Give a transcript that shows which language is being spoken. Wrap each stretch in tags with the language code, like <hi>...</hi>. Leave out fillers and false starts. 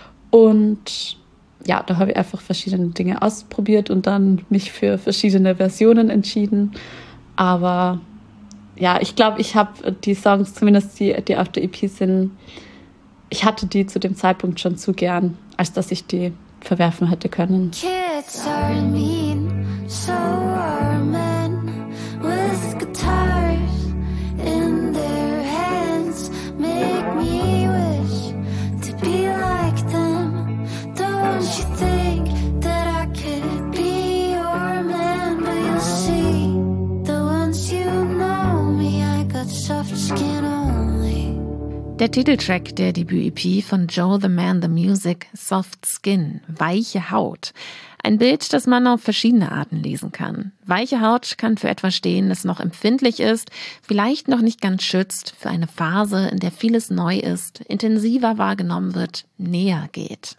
<de>Und ja, da habe ich einfach verschiedene Dinge ausprobiert und dann mich für verschiedene Versionen entschieden. Aber ja, ich glaube, ich habe die Songs, zumindest die auf der EP sind, ich hatte die zu dem Zeitpunkt schon zu gern, als dass ich die verwerfen hätte können.</de> <en>Kids are mean, so are men, with guitars in their hands, make me wish to be like them, don't you think that I could be your man, but you'll see, the ones you know me, I got soft skin.</en> <de>Der Titeltrack der Debüt-EP von Joe the Man the Music, Soft Skin, weiche Haut. Ein Bild, das man auf verschiedene Arten lesen kann. Weiche Haut kann für etwas stehen, das noch empfindlich ist, vielleicht noch nicht ganz schützt, für eine Phase, in der vieles neu ist, intensiver wahrgenommen wird, näher geht.</de>